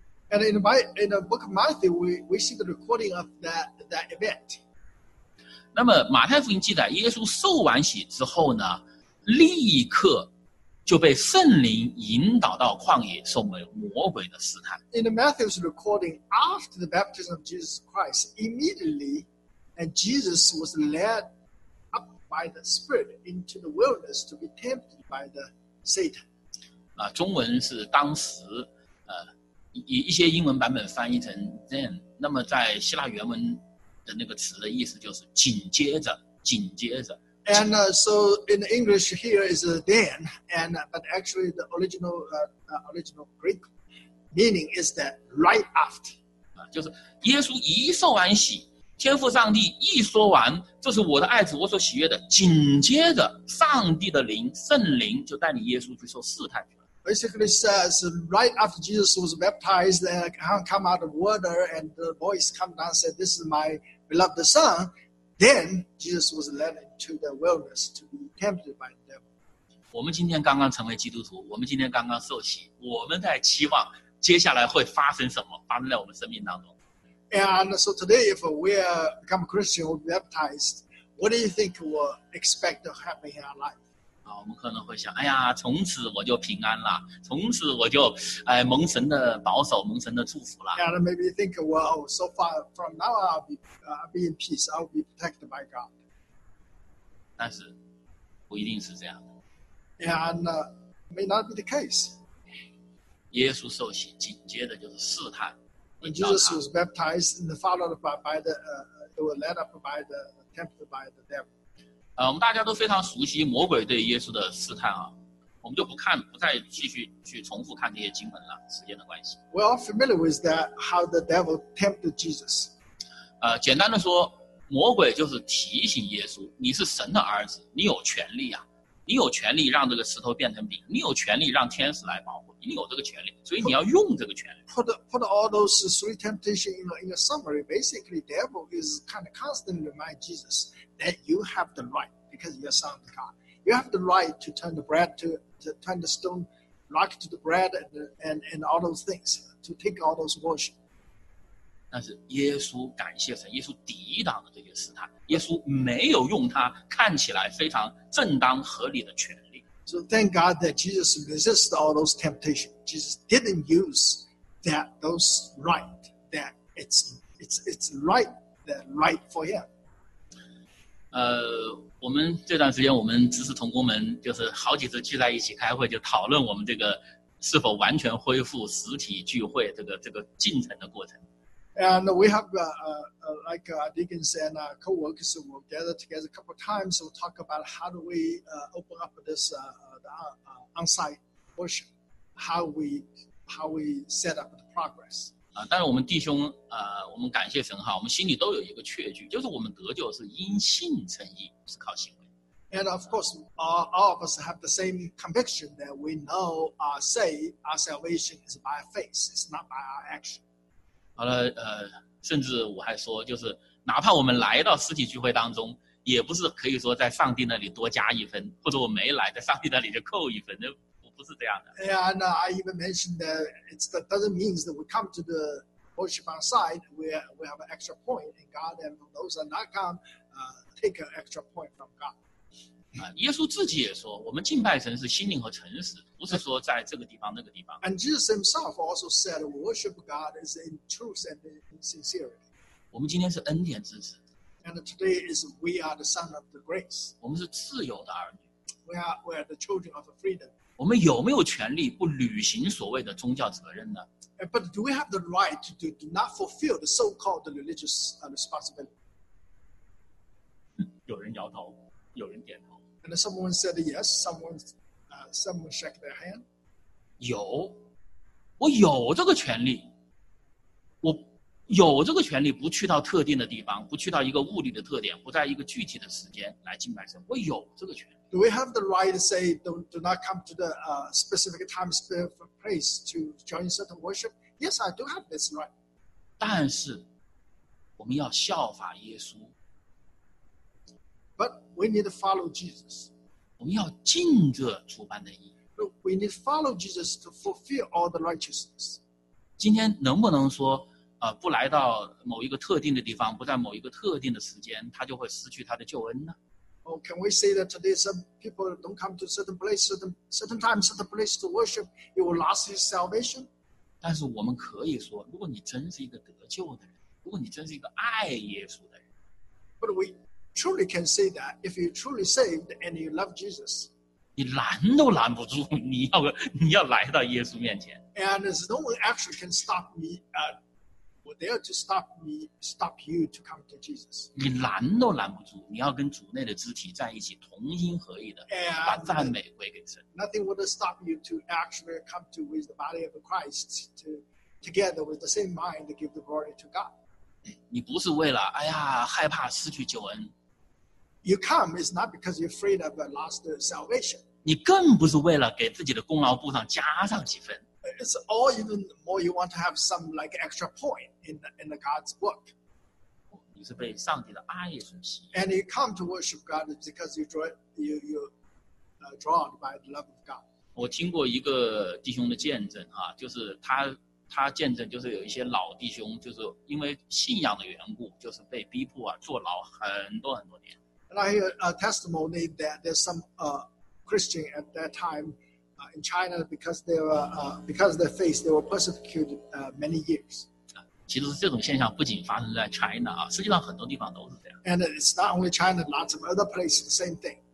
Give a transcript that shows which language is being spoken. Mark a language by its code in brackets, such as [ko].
[en] And in the book of Matthew, we see the recording of that event. [zh] 那么马太福音记载，耶稣受完洗之后呢，立刻就被圣灵引导到旷野，受魔鬼的试探。 [en] In the Matthew's recording, after the baptism of Jesus Christ, immediately, and Jesus was led up by the Spirit into the wilderness to be tempted by the Satan. [zh] 啊，中文是当时，一些英文版本翻译成 then， 那么在希腊原文的那个词的意思就是紧接着，紧接着。 [en] And so in English here is then, and but actually the original Greek meaning is that right after. [zh] 就是耶稣一受完洗，天父上帝一说完，这是我的爱子，我所喜悦的。紧接着，上帝的灵圣灵就带领耶稣去受试探去了。 [en] Basically says right after Jesus was baptized, come out of water, and the voice come down said, "This is my beloved son." Then Jesus was led into the wilderness to be tempted by the devil. [zh] 我们今天刚刚成为基督徒，我们今天刚刚受洗，我们在期望接下来会发生什么，发生在我们生命当中。 [en] And so today, if we become Christian or baptized, what do you think will expect to happen in our life? [zh] 啊，我们可能会想，哎呀，从此我就平安了，从此我就哎蒙神的保守，蒙神的祝福了。 [en] And maybe you think, well, so far from now, I'll be in peace. I'll be protected by God. [zh] 但是不一定是这样的。 [en] And may not be the case. [zh] 耶稣受洗，紧接着就是试探。 [en] When Jesus was baptized and followed by the they were led up by the tempted by the devil. [zh] 我们大家都非常熟悉魔鬼对耶稣的试探啊，我们就不再继续去重复看这些经文了，时间的关系。 [en] We are familiar with that how the devil tempted Jesus. [zh] 简单的说，魔鬼就是提醒耶稣，你是神的儿子，你有权利啊，你有权利让这个石头变成饼，你有权利让天使来保护，你有这个权利，所以你要用这个权利。 [en] Put all those three temptations in a summary. Basically, devil is kind of constantly remind Jesus. That you have the right because you're son of God. You have the right to turn the bread to turn the stone rock to the bread and all those things to take all those worship. [zh] 但是耶稣感谢神，耶稣抵挡了这些试探。耶稣没有用他看起来非常正当合理的权利。 [en] So thank God that Jesus resisted all those temptations. Jesus didn't use that those right that it's right the right for him. [zh] 我们这段时间我们知识同工们就是好几次聚在一起开会，就讨论我们这个是否完全恢复实体聚会这个进程的过程。 [en] And we have like our deacons and our co-workers will gather together a couple of times to talk about how do we open up this on-site worship, how we set up the progress. [zh] 但是我们弟兄我们感谢神哈，我们心里都有一个确据，就是我们得救是因信称义，不是靠行为。 [en] And of course, all of us have the same conviction that we know our salvation is by faith, it's not by our action. [zh] 好了，甚至我还说，就是哪怕我们来到实体聚会当中，也不是可以说在上帝那里多加一分，或者我没来，在上帝那里就扣一分。 [en] And I even mentioned that it doesn't mean that we come to the worship on site where we have an extra point in God and those are not come take an extra point from God. [zh] 耶稣自己也说我们敬拜神是心灵和诚实，不是说在这个地方那个地方。 [en] And Jesus himself also said worship God is in truth and in sincerity. [zh] 我们今天是恩典之子。 [en] And today is we are the son of the grace. [zh] 我们是自由的儿女。 [en] We are the children of freedom. [zh] 我们有没有权利不履行所谓的宗教责任呢 [en] ？But do we have the right to not fulfill the so-called religious responsibility? [zh] 有人摇头，有人点头。 [en] And someone said yes. Someone someone shake their hand? [zh] 有，我有这个权利，我有这个权利不去到特定的地方，不去到一个物理的特点，不在一个具体的时间来敬拜神，我有这个权利。 [en] Do we have the right to say do not come to the specific time specific place to join certain worship? Yes, I do have this right. [zh] 但是我们要效法耶稣。 [en] But we need to follow Jesus. [zh] 我们要尽这主般的义。 [en] But we need to follow Jesus to fulfill all the righteousness. [zh] 今天能不能说不来到某一个特定的地方，不在某一个特定的时间，他就会失去他的救恩呢？ [en] Oh, can we say that today some people don't come to certain place, certain time, certain place to worship, he will lose his salvation? [zh] 但是我们可以说，如果你真是一个得救的人，如果你真是一个爱耶稣的人， [en] But we truly can say that if you truly saved and you love Jesus. [zh] 你拦都拦不住，你要来到耶稣面前。 [en] And no one actually can stop me, were there to stop me, stop you to come to Jesus. [zh] 你拦都拦不住，你要跟主内的肢体在一起，同心合意的把赞美归给神。 [en] Nothing would stop you to actually come to with the body of Christ to together with the same mind to give the glory to God. [zh] 你不是为了哎呀害怕失去救恩。 [en] You come is not because you're afraid of a lost salvation. [zh] 你更不是为了给自己的功劳簿上加上几分。 [en] It's all even more you want to have some like extra point in the God's book. [zh] 你是被上帝的爱所吸引。 [en] And you come to worship God because you're drawn by the love of God. [zh] 我听过一个弟兄的见证啊，就是他见证就是有一些老弟兄，就是因为信仰的缘故，就是被逼迫啊坐牢很多很多年。 [en] And I hear a testimony that there's some Christian at that time in China because of their faith, they were persecuted many years. [zh] 其实这种现象不仅发生在 China 啊，实际上很多地方都是这样。 [en] And it's not only China, lots of other places, the same thing.